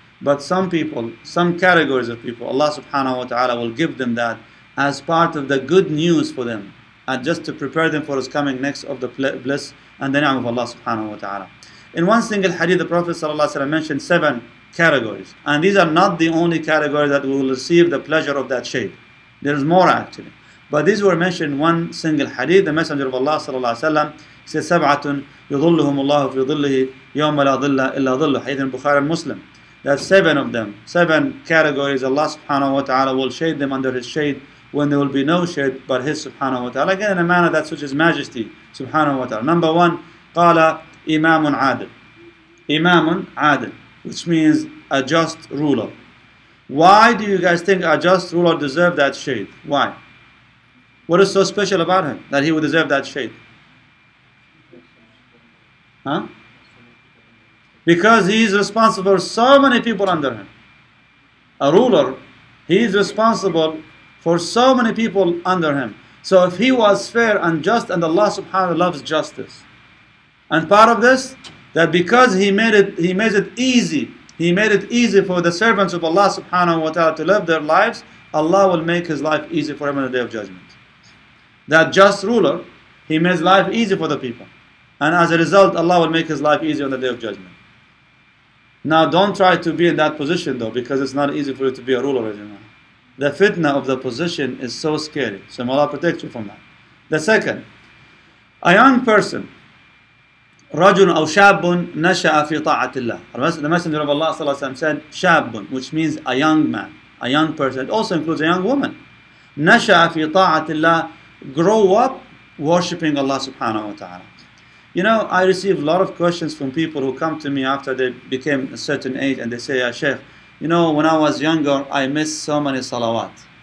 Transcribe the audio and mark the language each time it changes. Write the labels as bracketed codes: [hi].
[en] But some people, some categories of people, Allah subhanahu wa ta'ala will give them that as part of the good news for them, and just to prepare them for his coming next of the bliss and the ni'am of Allah subhanahu wa ta'ala. In one single hadith, the Prophet sallallahu alaihi wasallam mentioned 7 categories. And these are not the only categories that will receive the pleasure of that shade. There's more actually. But these were mentioned in one single hadith. The Messenger of Allah sallallahu alaihi wasallam says, [ar] سَبْعَةٌ يُظُلُّهُمُ اللَّهُ فِي ظِلِّهِ يَوْمَ لَا ظِلَّ إِلَّا ظِلُّ حَيْثِ الْبُخَارِ الْمُسْلِمِ. [en] That 7 of them, 7 categories, Allah subhanahu wa ta'ala will shade them under his shade when there will be no shade but his subhanahu wa ta'ala. Again, in a manner that suits his majesty, subhanahu wa ta'ala. Number 1, [ar] قَالَ إِمَامٌ عَادِلٌ. إِمَامٌ عَادِلٌ, [en] which means a just ruler. Why do you guys think a just ruler deserves that shade? Why? What is so special about him that he would deserve that shade? Huh? Because he is responsible for so many people under him. A ruler, he is responsible for so many people under him. So if he was fair and just, and Allah subhanahu wa ta'ala loves justice. And part of this, that because he made it easy for the servants of Allah subhanahu wa ta'ala to live their lives, Allah will make his life easy for him on the Day of Judgment. That just ruler, he makes life easy for the people. And as a result, Allah will make his life easy on the Day of Judgment. Now, don't try to be in that position, though, because it's not easy for you to be a ruler. The fitna of the position is so scary. So may Allah protect you from that. The second, a young person, [ar] رَجُلٌ أَوْ شَابٌ نَشَأَ فِي طَاعَةِ اللَّهِ. [en] The Messenger of Allah sallallahu alayhi wa sallam said, شَابٌ, which means a young man, a young person. It also includes a young woman. [ar] نَشَأَ فِي طَاعَةِ اللَّهِ, [en] grow up worshipping Allah subhanahu wa ta'ala. You know, I receive a lot of questions from people who come to me after they became a certain age, and they say, "Ya Sheikh, you know, when I was younger, I missed so many salawat.